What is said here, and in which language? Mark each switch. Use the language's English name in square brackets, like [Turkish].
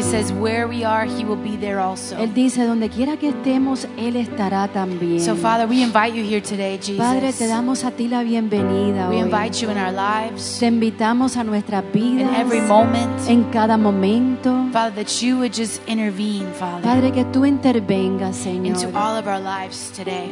[English] He says, "Where we are, He will be there also." [Spanish] Él dice, "Donde quiera que estemos, Él estará también." [English] So, Father, we invite you here today, Jesus. [Spanish] Padre, te damos a ti la bienvenida hoy. [English] We invite you in our lives. [Spanish] Te invitamos a nuestras vidas. [English] In every moment. [Spanish] En cada momento. [English] Father, that you would just intervene, Father. [Spanish] Padre, que tú intervengas, Señor. [English] Into all of our lives today.